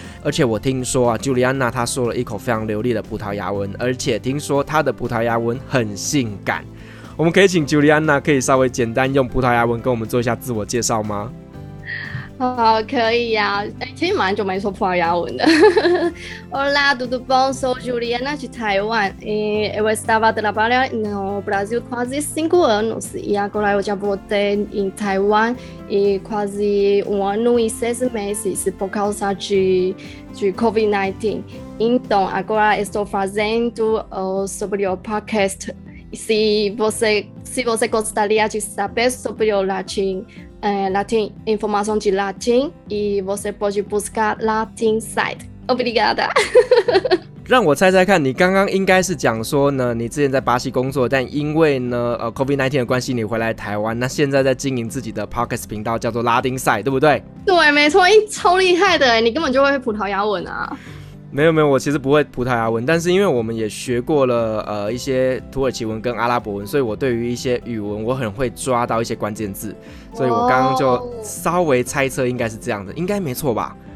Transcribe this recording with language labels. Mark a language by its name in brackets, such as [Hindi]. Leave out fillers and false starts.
[Chinese] 而且我听说啊，朱莉安娜她说了一口非常流利的葡萄牙文，而且听说她的葡萄牙文很性感。我们可以请朱莉安娜可以稍微简单用葡萄牙文跟我们做一下自我介绍吗？好，可以啊。其实蛮久没说葡萄牙文的。 [Portuguese] Hola, tudo bom? Sou Juliana de Taiwan. Eu estava trabalhando no Brasil quase 5 anos e agora eu já voltei em Taiwan e quase 1 ano e 6 meses por causa de COVID-19. Então agora estou fazendo sobre o podcast. Se você gostaria de saber sobre o latim. Latin, informação de Latin, e você pode buscar Latin site. Obrigada! [Chinese] 让我猜猜看，你刚刚应该是讲说呢，你之前在巴西工作，但因为呢COVID-19 的关系，你回来台湾，那现在在经营自己的 podcast 频道，叫做拉丁赛，对不对？对，没错，超厉害的，你根本就会葡萄牙文啊。没有没有，我其实不会葡萄牙文，但是因为我们也学过了一些土耳其文跟阿拉伯文，所以我对于一些语文我很会抓到一些关键字，所以我刚刚就稍微猜测应该是这样的，应该没错吧？